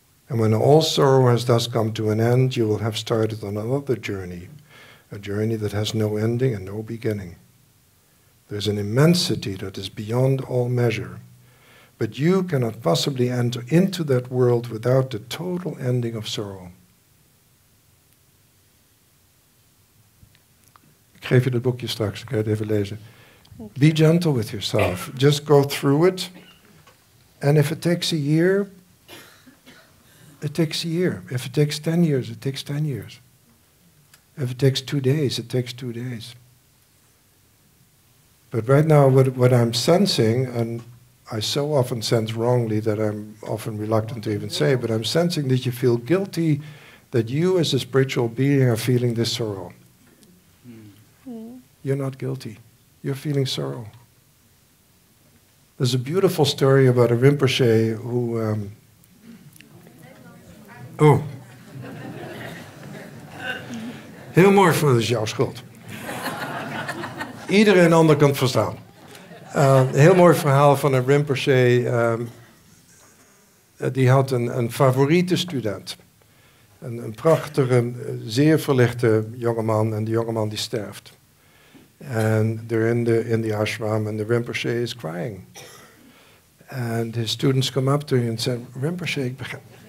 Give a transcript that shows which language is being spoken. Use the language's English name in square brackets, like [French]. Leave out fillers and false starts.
[English] And when all sorrow has thus come to an end, you will have started on another journey, a journey that has no ending and no beginning. There's an immensity that is beyond all measure, but you cannot possibly enter into that world without the total ending of sorrow. [Dutch] Ik geef je dat boekje straks, ik ga het even lezen. [English] Be gentle with yourself. Just go through it. And if it takes a year, it takes a year. If it takes 10 years, it takes 10 years. If it takes 2 days, it takes 2 days. But right now, what I'm sensing, and I so often sense wrongly that I'm often reluctant to even say, but I'm sensing that you feel guilty that you as a spiritual being are feeling this sorrow. You're not guilty. You're feeling sorrow. There's a beautiful story about a Rinpoche who... [Dutch] Heel mooi, van het is jouw schuld. Iedereen ander kan het verstaan. Heel mooi verhaal van een Rinpoche. Die had een favoriete student. Een prachtige, zeer verlichte jongeman. En die jongeman die sterft. [English] And they're in the ashram, and the Rinpoche is crying. And his students come up to him and said, Rinpoche, [Dutch] ik begrijp...